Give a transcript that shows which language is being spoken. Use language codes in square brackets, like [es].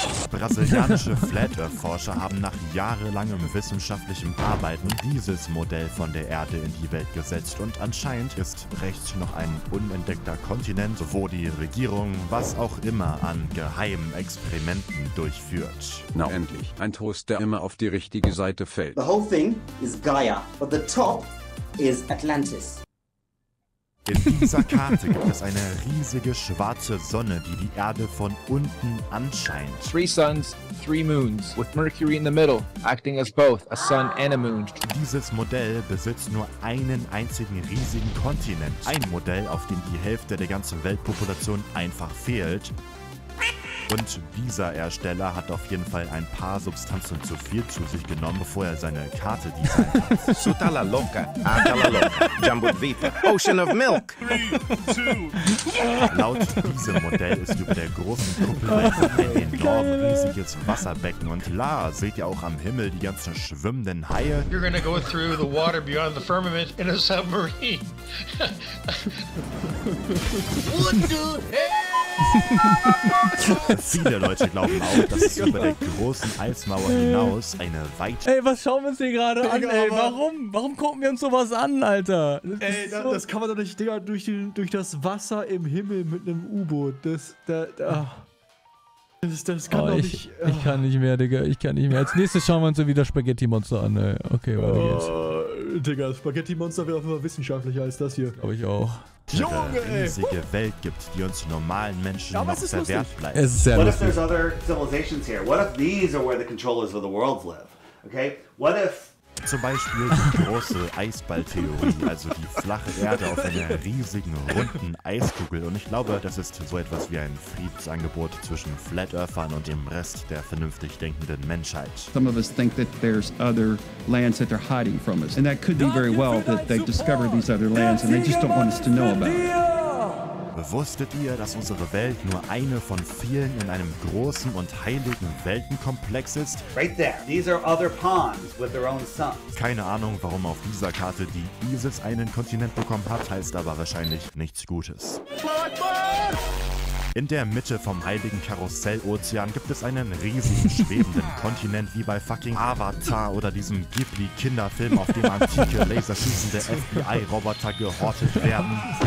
[de] Brasilianische Flat-Earth-Forscher haben nach jahrelangem wissenschaftlichem Arbeiten dieses Modell von der Erde in die Welt gesetzt und anscheinend ist rechts noch ein unentdeckter Kontinent, wo die Regierung was auch immer an geheimen Experimenten durchführt. Na endlich, ein Toast, der immer auf die richtige Seite fällt. [en] The whole thing is Gaia, but the top is Atlantis. [de] In dieser Karte gibt es eine riesige schwarze Sonne, die die Erde von unten anscheint. [en] Three suns, three moons, with Mercury in the middle, acting as both a sun and a moon. [de] Dieses Modell besitzt nur einen einzigen riesigen Kontinent. Ein Modell, auf dem die Hälfte der ganzen Weltpopulation einfach fehlt. Und dieser Ersteller hat auf jeden Fall ein paar Substanzen zu viel zu sich genommen, bevor er seine Karte designt hat. [en] Sutala loca, agala loca, jumbo vipa, ocean of milk. [de] Laut diesem Modell ist über der großen Kuppel ein enorm riesiges Wasserbecken. Und la, seht ihr auch am Himmel die ganzen schwimmenden Haie? [en] You're gonna go through the water beyond the firmament in a submarine. What the hell? [de] Viele Leute glauben auch, dass es über der großen Eismauer hinaus eine weite... Ey, was schauen wir uns hier gerade an, ey? Warum? Warum gucken wir uns sowas an, Alter? Das kann man doch nicht, Digga, durch das Wasser im Himmel mit einem U-Boot. Ich kann nicht mehr, Digga. Ich kann nicht mehr. Als nächstes schauen wir uns wieder Spaghetti-Monster an, ey. Okay, weiter geht's. Digga, Spaghetti-Monster wäre auf jeden Fall wissenschaftlicher als das hier. Glaube ich auch. Junge, ey! Riesige Welt gibt, die uns normalen Menschen noch verwehrt bleibt. Es ist sehr lustig. [en] What if there's other civilizations here? What if these are where the controllers of the world live? Okay? What if... [de] Zum Beispiel die große Eisballtheorie, also die flache Erde auf einer riesigen, runden Eiskugel. Und ich glaube, das ist so etwas wie ein Friedensangebot zwischen Flat Earthern und dem Rest der vernünftig denkenden Menschheit. [en] Some of us think that there's other lands that they're hiding from us. And that could be very well that they discovered these other lands and they just don't want us to know about it. [de] Wusstet ihr, dass unsere Welt nur eine von vielen in einem großen und heiligen Weltenkomplex ist? [en] Right there. These are other pawns with their own suns. [de] Keine Ahnung, warum auf dieser Karte die ISIS einen Kontinent bekommen hat, heißt aber wahrscheinlich nichts Gutes. In der Mitte vom heiligen Karussell-Ozean gibt es einen riesigen schwebenden Kontinent wie bei fucking Avatar oder diesem Ghibli-Kinderfilm, auf dem antike laserschießende FBI-Roboter gehortet werden.